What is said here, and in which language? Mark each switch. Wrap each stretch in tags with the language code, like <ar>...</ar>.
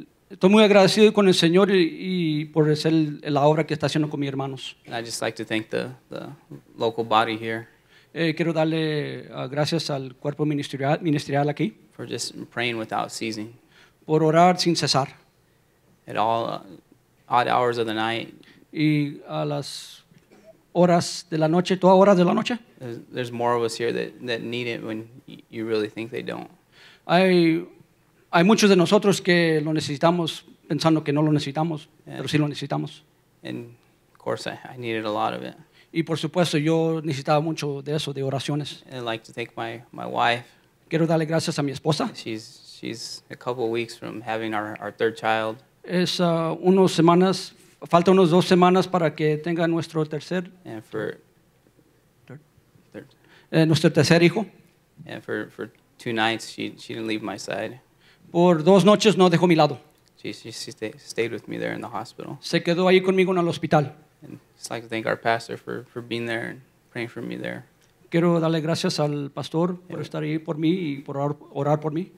<es>Estoy muy agradecido con el Señor y por hacer la obra que está haciendo con mis hermanos.</es> <en>And I'd just like to thank the local body here.</en> <es>Quiero darle gracias al cuerpo ministerial aquí.</es> <en>For just praying without ceasing.</en> <es>Por orar sin cesar.</es> <en>At all odd hours of the night.</en> <es>Y a las horas de la noche, todas horas de la noche.</es> <en>There's more of us here that need it when you really think they don't.</en> <es>Hay muchos de nosotros que lo necesitamos pensando que no lo necesitamos, and, pero sí lo necesitamos.</es> <en>And of course I needed a lot of it.</en> <es>Y por supuesto yo necesitaba mucho de eso, de oraciones.</es> <en>And I'd like to thank my wife.</en> <es>Quiero darle gracias a mi esposa.</es> <en>She's a couple of weeks from having our third child.</en> <es>Es unos semanas, falta unos dos semanas para que tenga nuestro tercer.</es> <en>And for</en> <es>nuestro tercer hijo.</es> <en>And for two nights she didn't leave my side.</en> <es>Por dos noches no dejó mi lado.</es> <en>She stayed with me there in the hospital.</en> <es>Se quedó ahí conmigo en el hospital.</es> <en>And I'd like to thank our pastor for being there and praying for me there.</en> <es>Quiero darle gracias al pastor por estar ahí por mí y por orar por mí.</es>